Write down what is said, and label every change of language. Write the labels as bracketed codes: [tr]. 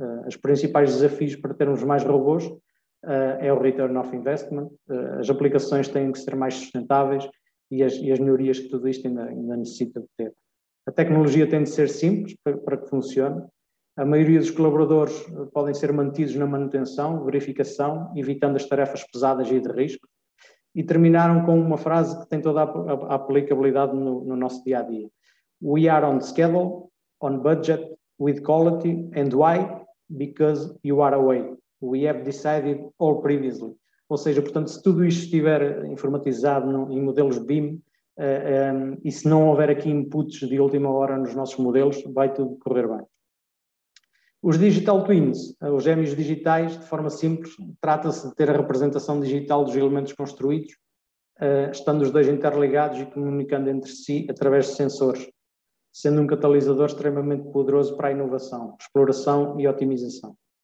[pt] Os principais desafios para termos mais robôs é o [en] Return of Investment, [pt] as aplicações têm que ser mais sustentáveis e as melhorias que tudo isto ainda necessita de ter. A tecnologia tem de ser simples para que funcione. A maioria dos colaboradores podem ser mantidos na manutenção, verificação, evitando as tarefas pesadas e de risco. E terminaram com uma frase que tem toda a aplicabilidade no nosso dia-a-dia. [en] We are on schedule, on budget, with quality, and why? Because you are away. We have decided all previously. [pt] Ou seja, portanto, se tudo isto estiver informatizado em modelos BIM, e se não houver aqui inputs de última hora nos nossos modelos, vai tudo correr bem. Os [en] digital twins, [pt] os gêmeos digitais, de forma simples, trata-se de ter a representação digital dos elementos construídos, estando os dois interligados e comunicando entre si através de sensores, sendo um catalisador extremamente poderoso para a inovação, exploração e otimização.